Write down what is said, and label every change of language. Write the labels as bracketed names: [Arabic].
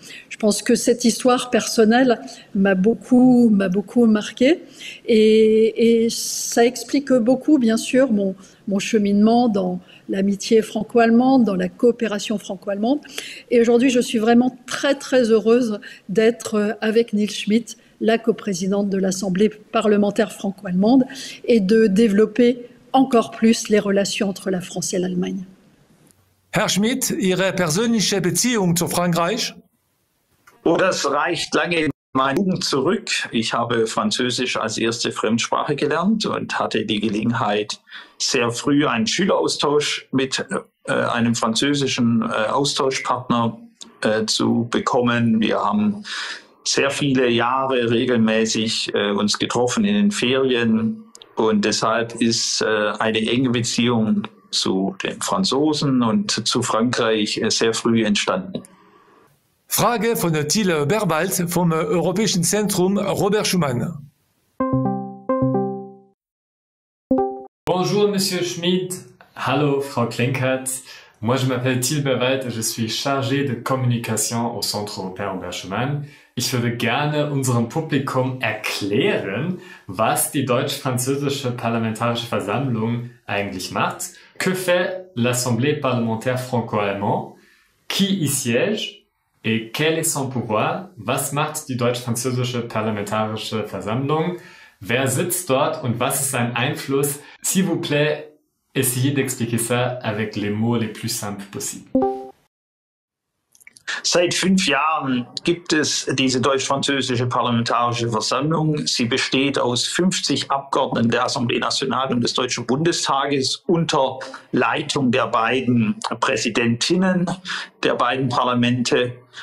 [French] » Je pense que cette histoire personnelle m'a beaucoup marquée et ça explique beaucoup, bien sûr, mon cheminement dans l'amitié franco-allemande, dans la coopération franco-allemande. Et aujourd'hui, je suis vraiment très, très heureuse d'être avec Neil Schmidt, la coprésidente de l'Assemblée parlementaire franco-allemande, et de développer encore plus les relations entre la France et l'Allemagne. [German] Herr Schmidt, Ihre persönliche Beziehung zu Frankreich? Oh, das reicht lange in meine Jugend zurück. Ich habe Französisch als erste Fremdsprache gelernt und hatte die Gelegenheit, sehr früh einen Schüleraustausch mit einem französischen Austauschpartner zu bekommen. Wir haben sehr viele Jahre regelmäßig uns getroffen in den Ferien und deshalb ist eine enge Beziehung zu den Franzosen und zu Frankreich sehr früh entstanden. Frage von Till Berbalt vom Europäischen Zentrum Robert Schuman. [French] Bonjour, Monsieur Schmidt. [German] Hallo, Frau Klinkert. [French] Moi, je m'appelle Till Bevet et je suis chargé de communication au Centre européen Robert Schuman. [German] Ich würde gerne unserem Publikum erklären, was die deutsch-französische parlamentarische Versammlung eigentlich macht. [French] Que fait l'Assemblée parlementaire franco-allemand? Qui y siège? Et quel est son pouvoir? [German] Was macht die deutsch-französische parlamentarische Versammlung? Wer sitzt dort und was ist sein Einfluss? [French] S'il vous plaît, essayez d'expliquer ça avec les mots les plus simples possibles. [German] Seit 5 Jahren gibt es diese deutsch-französische parlamentarische Versammlung. Sie besteht aus 50 Abgeordneten der Assemblée nationale und des Deutschen Bundestages unter Leitung der beiden Präsidentinnen der beiden Parlamente.